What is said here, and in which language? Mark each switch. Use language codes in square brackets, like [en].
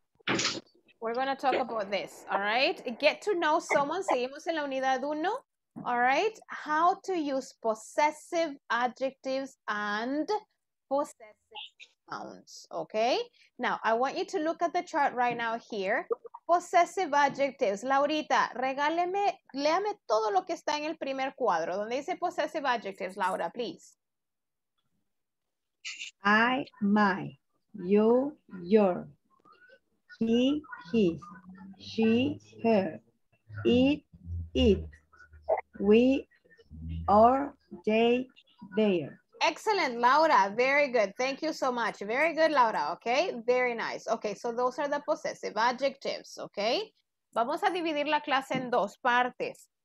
[en] Okay. We're going to talk about this. All right. Get to know someone. [es] Seguimos en la unidad uno. [en] All right. How to use possessive adjectives and possessive nouns. Okay. Now, I want you to look at the chart right now here. Possessive adjectives. [es] Laurita, regáleme, léame todo lo que está en el primer cuadro. Donde dice possessive adjectives, Laura, please. [en] I, my, you, your, he, his, she, her, it, it, we, or, they, their. Excellent, Laura. Very good. Thank you so much. Very good, Laura. Okay, very nice. Okay, so those are the possessive adjectives, okay? [es] Vamos a dividir la clase en dos partes.